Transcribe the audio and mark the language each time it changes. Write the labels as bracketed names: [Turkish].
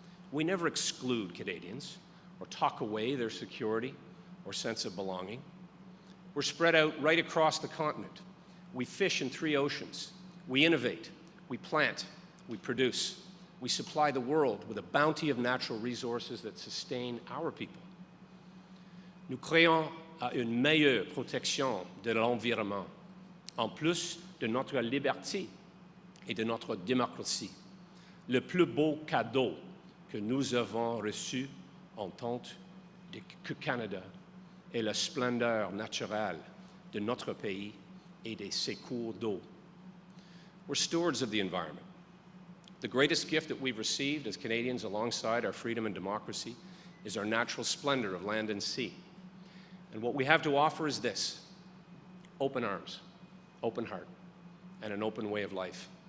[English] We never exclude Canadians or talk away their security or sense of belonging. We're spread out right across the continent. We fish in three oceans. We innovate. We plant. We produce. We supply the world with a bounty of natural resources that sustain our people. [French] Nous créons à une meilleure protection de l'environnement. En plus de notre liberté, et de notre démocratie, le plus beau cadeau que nous avons reçu en tant que Canada est la splendeur naturelle de notre pays et de ses cours d'eau. [English] We're stewards of the environment. The greatest gift that we've received as Canadians alongside our freedom and democracy is our natural splendor of land and sea. And what we have to offer is this: open arms, open heart, and an open way of life.